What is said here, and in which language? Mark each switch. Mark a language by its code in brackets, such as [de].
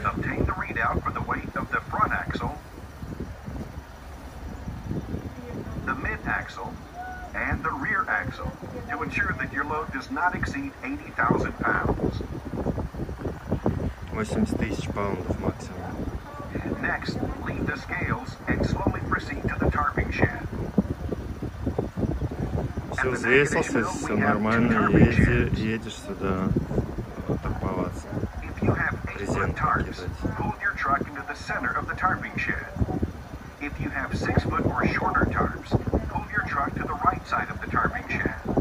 [en] Obtain the readout for the weight of the front axle, the mid axle, and the rear axle to ensure that your load does not exceed 80,000 pounds. [ru] 80,000 паундов максимум. [en] Next, leave the scales and slowly proceed to the tarping shed. [ru] Все взвесился, все нормально, едешь сюда торповаться. [en] If you have 8-foot tarps, pull your truck into the center of the tarping shed. If you have 6-foot or shorter tarps, pull your truck to the right side of the tarping shed.